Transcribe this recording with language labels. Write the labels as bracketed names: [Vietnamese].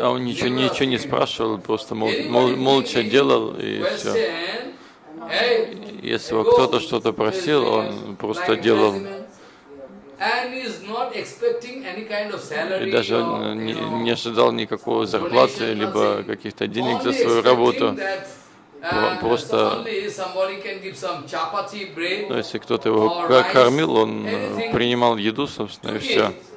[Russian] А он ничего не спрашивал, просто молча делал и все. Если его кто-то что-то просил, он просто делал. [English] And is not expecting any kind of salary. [Russian] И даже не ожидал никакого зарплаты либо каких-то денег за свою работу. Просто. Но если кто-то его кормил, он принимал еду, собственно, и все.